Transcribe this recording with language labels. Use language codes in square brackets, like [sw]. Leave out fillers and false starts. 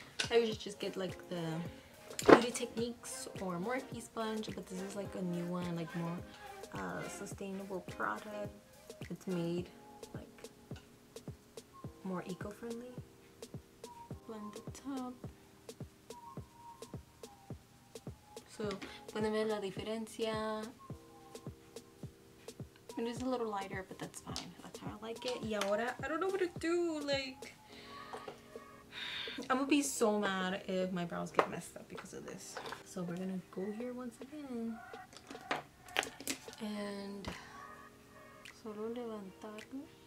[en] I usually just get like the Beauty Techniques or Morphe sponge, but this is like a new one, like more sustainable product. It's made like more eco-friendly. Blend the top. [es] So, pueden ver la diferencia. [en] It is a little lighter, but that's fine. That's how I like it. [es] Y ahora, [en] I don't know what to do. Like, I'm gonna be so mad if my brows get messed up because of this. So we're gonna go here once again. And [es] solo levantarlo.